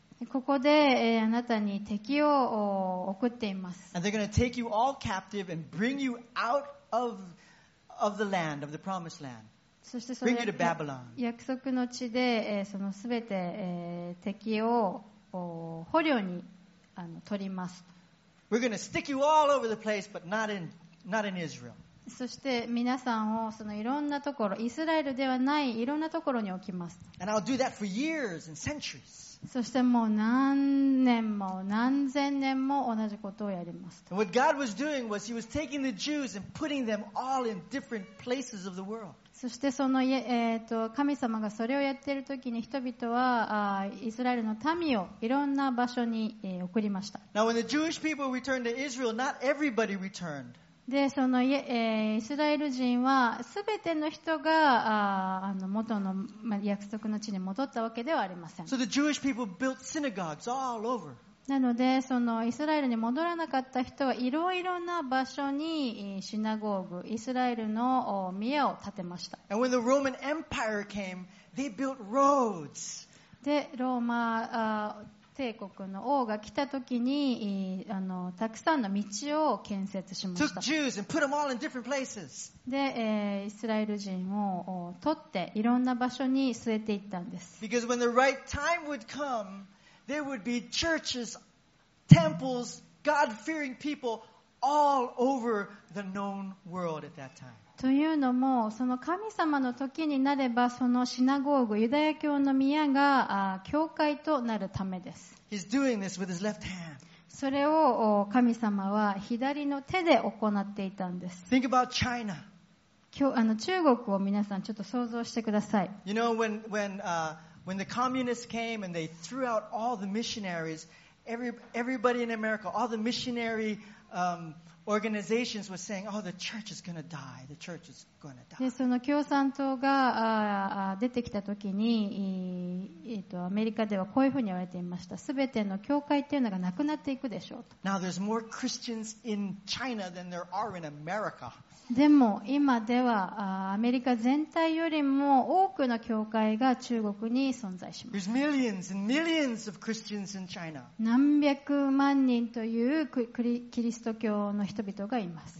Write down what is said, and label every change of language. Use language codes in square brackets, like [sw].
[ja] ここで、あなたに敵を送っています。 [en] And they're going to take you all captive and bring you out of the land, of the promised land. [ja] そしてその約束の地で、その全て、敵を捕虜に取ります。 [en] We're going to stick you all over the place, but not in Israel. [ja] そして皆さんをそのいろんなところ、イスラエルではないいろんなところに置きます。 [en] And I'll do that for years and centuries. [ja] そしてもう何年も何千年も同じことをやります。 [en] And what God was doing was He was taking the Jews and putting them all in different places of the world. [ja] そしてその、神様がそれをやっているときに人々はイスラエルの民をいろんな場所に送りました。 [en] Now, when the Jewish people returned to Israel, not everybody returned. [ja] で、その、イスラエル人は全ての人が元の約束の地に戻ったわけではありません。 [en] So the Jewish people built synagogues all over. [ja] なのでそのイスラエルに戻らなかった人はいろいろな場所にシナゴーグ、イスラエルの宮を建てました。 [en] And when the Roman Empire came, they built roads. [ja] で、ローマ帝国の王が来た時にたくさんの道を建設しました。 [en] Took Jews and put them all in different places. [ja] で、イスラエル人を取っていろんな場所に据えていったんです。 [en] Because when the right time would come,There would be churches, temples, God-fearing people all over the known world at that time. [ja] というのも、その神様の時になれば、そのシナゴーグ、ユダヤ教の宮が教会となるためです。 [en] He's doing this with his left hand. [ja] それを神様は左の手で行っていたんです。 [en] Think about China. [ja] 今日、中国を皆さんちょっと想像してください。 [en] You know, When the communists came and they threw out all the missionaries, everybody in America, all the missionary organizations were saying, oh, the church is going to die. The church is going to die. [ja] で、その共産党が出てきた時に、アメリカではこういうふうに言われていました。すべての教会っていうのがなくなっていくでしょうと。 [en] Now there's more Christians in China than there are in America. [ja] でも今ではアメリカ全体よりも多くの教会が中国に存在します。 [en] There's millions and millions of Christians in China. [ja] 何百万人というキリスト教の人々がいます。